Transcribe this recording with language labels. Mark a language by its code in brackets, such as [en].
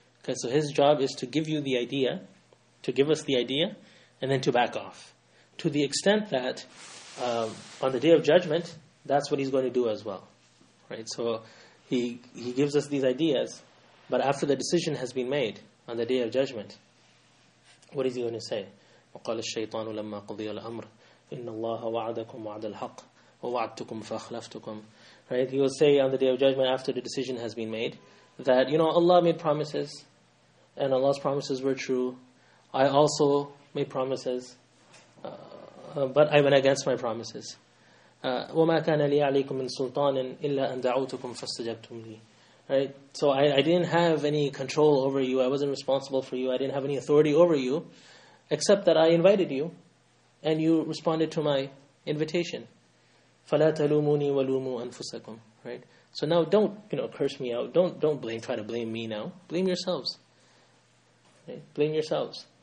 [en] Okay, so his job is to give you the idea, to give us the idea, and then to back off. To the extent that, on the day of judgment, that's what he's going to do as well, right? So he gives us these ideas, but after the decision has been made on the day of judgment, what is he going to say? [ar] وقال الشيطان لما قضي الأمر إن الله وعدكم وعد الحق ووعدتكم فأخلفتكم. [en] Right? He will say on the day of judgment, after the decision has been made, that Allah made promises, and Allah's promises were true. I also made promises, but I went against my promises. [ar] وما كان لي عليكم من سلطان إلا أن دعوتكم فاستجبتم لي. [en] Right? So I didn't have any control over you. I wasn't responsible for you. I didn't have any authority over you, except that I invited you, and you responded to my invitation. [ar] فَلَا تَلُومُونِي وَلُومُوا أَنفُسَكُمْ. [en] Right? So now don't curse me out. Don't try to blame me now. Blame yourselves. Right? Blame yourselves.